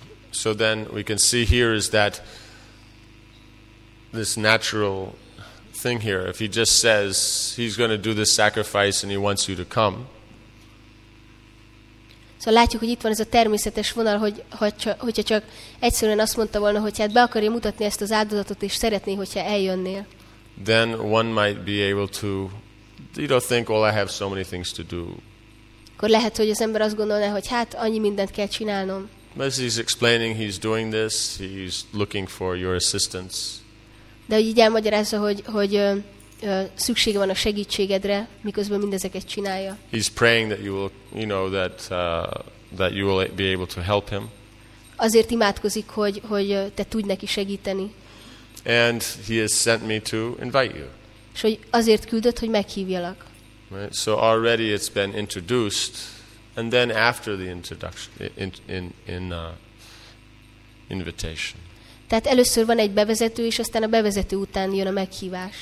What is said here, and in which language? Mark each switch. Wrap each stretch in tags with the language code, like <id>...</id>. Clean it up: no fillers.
<en>So then we can see here is that this natural thing here, if he just says he's going to do this sacrifice and he wants you to come.</en> <hu>Szóval látjuk, hogy itt van ez a természetes vonal, hogyha csak egyszerűen azt mondta volna, hogy hát be akarja mutatni ezt az áldozatot, és szeretné, hogyha eljönnél.</hu> <en>Then one might be able to, you know, think, well, I have so many things to do.</en> <hu>Akkor lehet, hogy az ember azt gondolná, hogy hát annyi mindent kell csinálnom.</hu> <en>As he's explaining, he's doing this, he's looking for your assistance.</en> <hu>De hogy így elmagyarázza, hogy szüksége van a segítségedre, miközben mindezeket csinálja.</hu> <en>He's praying that you will, you know, that you will be able to help him.</en> <hu>Azért imádkozik, hogy te tudj neki segíteni.</hu> <en>And he has sent me to invite you.</en> <hu>És hogy azért küldött, hogy meghívjalak.</hu> <en>Right? So already it's been introduced, and then after the introduction, invitation.</en> <hu>Tehát először van egy bevezető, és aztán a bevezető után jön a meghívás.</hu>